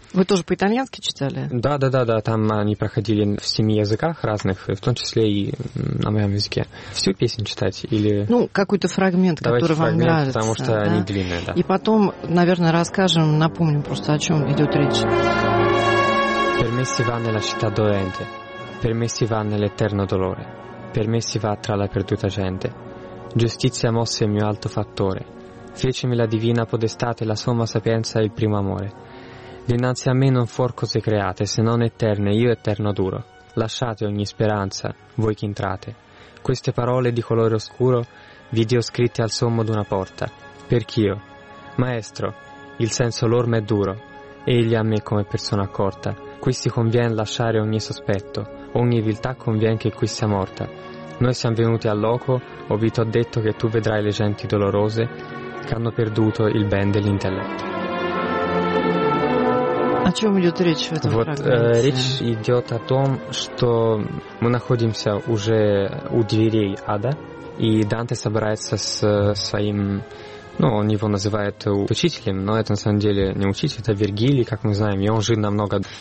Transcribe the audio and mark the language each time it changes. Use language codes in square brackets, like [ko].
[ru] Вы тоже по-итальянски читали? Да. Там они проходили в 7 языках разных, в том числе и на моем языке. Всю песню читать или... Ну, какой-то фрагмент, давайте который фрагмент, вам нравится. Потому что да? Они длинные, да. И потом, наверное, расскажем, напомним просто, о чем идет речь. [it] Per me si va nella città dolente, per me si va nell'eterno dolore, per me si va tra la perduta gente. Giustizia mosse il mio alto fattore, fecemi la divina podestate, la somma sapienza e il primo amore. Dinanzi a me non fuor cose create, se non eterne, io eterno duro. Lasciate ogni speranza, voi che entrate. Queste parole di colore oscuro, vidio scritte al sommo d'una porta. Perch'io, maestro, il senso l'orma è duro, egli a me come persona accorta. Qui si conviene lasciare ogni sospetto, ogni viltà conviene che qui sia morta. Noi siamo venuti al loco, o vi t'ho detto che tu vedrai le genti dolorose che hanno perduto il ben dell'intelletto. [ru] О чем идет речь в этом вот, фрагменте? Речь идет о том, что мы находимся уже у дверей ада, и Данте собирается с своим... Ну, он его называет учителем, но это на самом деле не учитель, это Вергилий, как мы знаем. И он жил намного...